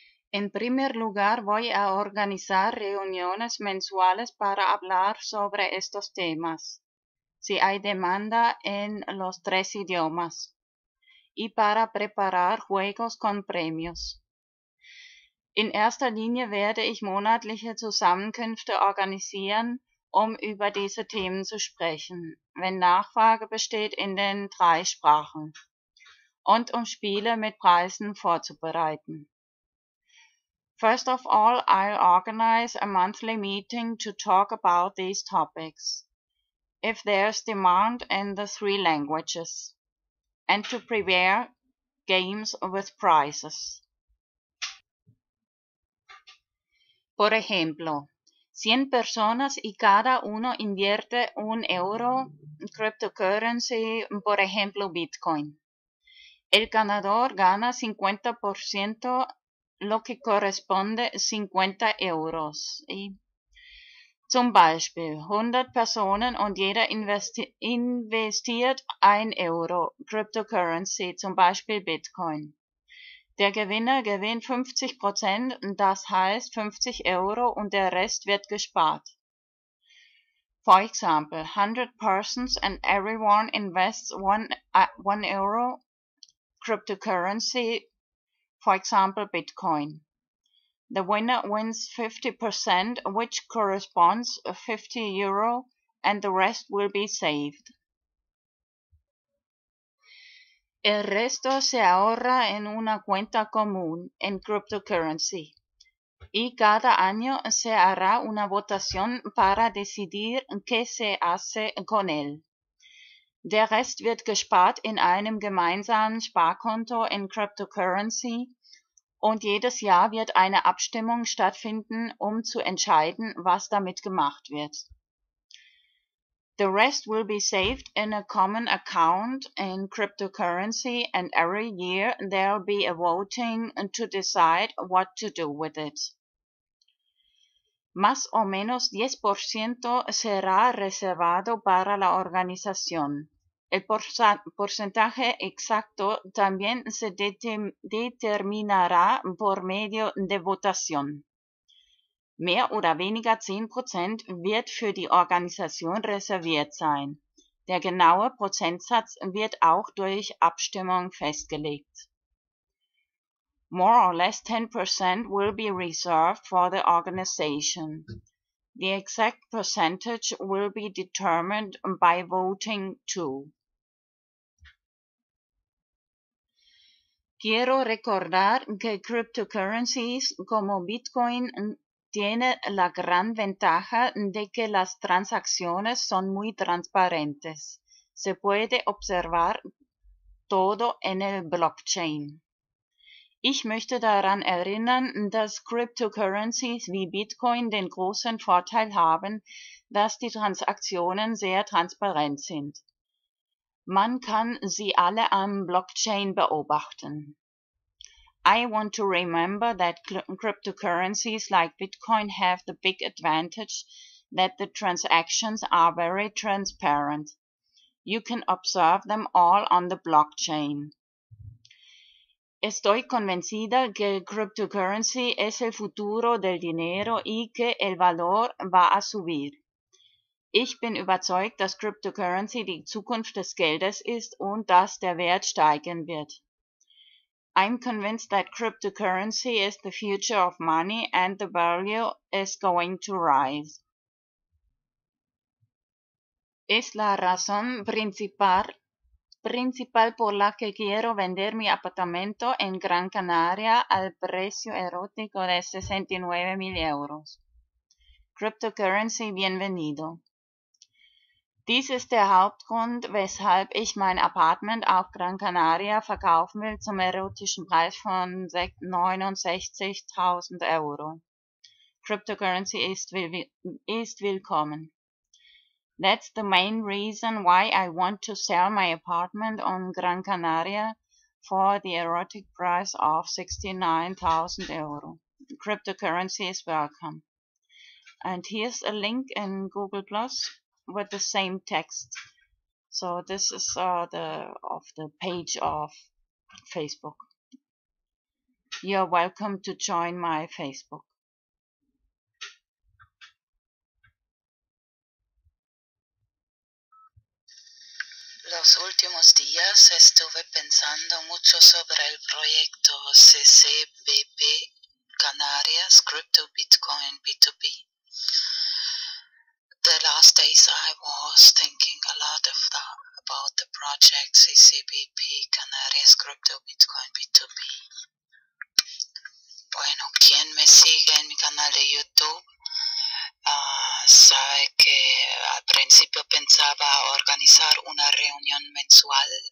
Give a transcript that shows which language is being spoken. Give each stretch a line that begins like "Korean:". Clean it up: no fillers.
Spanish: En primer lugar, voy a organizar reuniones mensuales para hablar sobre estos temas, si hay demanda en los tres idiomas, y para preparar juegos con premios.
German: In erster Linie werde ich monatliche Zusammenkünfte organisieren, um über diese Themen zu sprechen, wenn Nachfrage besteht in den drei Sprachen und um Spiele mit Preisen vorzubereiten.
English: First of all, I'll organize a monthly meeting to talk about these topics, if there's demand in the three languages, and to prepare games with prizes.
Spanish: Por ejemplo, 100 personas y cada uno invierte un euro en cryptocurrency, por ejemplo Bitcoin. El ganador gana 50%, lo que corresponde 50 euros.
German: Y zum Beispiel 100
Spanish: personas y
German: jeder investiert
Spanish: un euro en
German: cryptocurrency, zum Beispiel Bitcoin. Der Gewinner gewinnt 50%, das heißt 50 Euro und der Rest wird gespart.
English: For example, 100 persons and everyone invests one euro cryptocurrency, for example Bitcoin. The winner wins 50%, which corresponds 50 euro, and the rest will be saved.
Spanish: El resto se ahorra en una cuenta común en cryptocurrency. Y cada año se hará una votación para decidir qué se hace con él.
German: Der Rest wird gespart in einem gemeinsamen Sparkonto in cryptocurrency und jedes Jahr wird eine Abstimmung stattfinden, um zu entscheiden, was damit gemacht wird.
English: The rest will be saved in a common account in cryptocurrency and every year there'll be a voting to decide what to do with it.
Spanish: Más o menos 10% será reservado para la organización, El porcentaje exacto también se determinará por medio de votación.
German: Mehr oder weniger 10% wird für die Organisation reserviert sein. Der genaue Prozentsatz wird auch durch Abstimmung festgelegt.
English: More or less 10% will be reserved for the organization. The exact percentage will be determined by voting too.
Spanish: Quiero recordar que cryptocurrencies como Bitcoin tiene la gran ventaja de que las transacciones son muy transparentes. Se puede observar todo en el blockchain.
German: Ich möchte daran erinnern, dass Cryptocurrencies wie Bitcoin den großen Vorteil haben, dass die Transaktionen sehr transparent sind. Man kann sie alle am Blockchain beobachten.
English: I want to remember that cryptocurrencies like Bitcoin have the big advantage that the transactions are very transparent. You can observe them all on the blockchain.
Spanish: Estoy convencida que el cryptocurrency es el futuro del dinero y que el valor va a subir.
German: Ich bin überzeugt, dass cryptocurrency die Zukunft des Geldes ist und dass der Wert steigen wird.
English: I'm convinced that cryptocurrency is the future of money and the value is going to rise.
Spanish: Es la razón principal por la que quiero vender mi apartamento en Gran Canaria al precio erótico de 69.000 euros. Cryptocurrency, bienvenido.
German: Dies ist der Hauptgrund, weshalb ich mein Apartment auf Gran Canaria verkaufen will zum erotischen Preis von 69.000 Euro. Cryptocurrency ist willkommen.
English: That's the main reason why I want to sell my apartment on Gran Canaria for the erotic price of 69.000 Euro. Cryptocurrency is welcome. And here's a link in Google Plus with the same text. So this is the page of Facebook. You're welcome to join my Facebook.
Spanish: Los últimos días estuve pensando mucho sobre el proyecto CCBP Canarias Crypto Bitcoin B2B.
English: The last days I was thinking a lot of about the project CCBP Canarias Crypto Bitcoin B2B.
Spanish: Bueno, quien me sigue en mi canal de YouTube sabe que al principio pensaba organizar una reunión mensual.